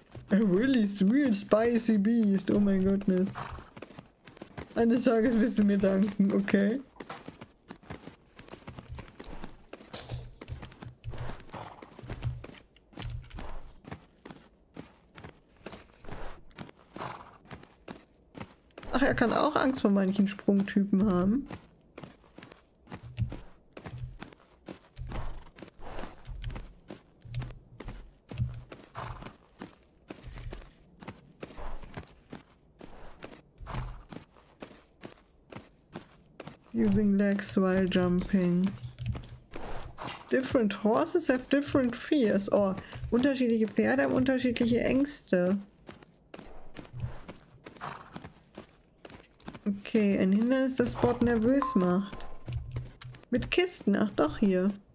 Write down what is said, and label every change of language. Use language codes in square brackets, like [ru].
[en] A really real spicy beast. [de] Oh mein Gott. Eines Tages wirst du mir danken, okay? Er kann auch Angst vor manchen Sprungtypen haben. [en] Using legs while jumping. Different horses have different fears. [de] Oh, unterschiedliche Pferde haben unterschiedliche Ängste. Okay, ein Hindernis, das Bot nervös macht. Mit Kisten, ach doch hier.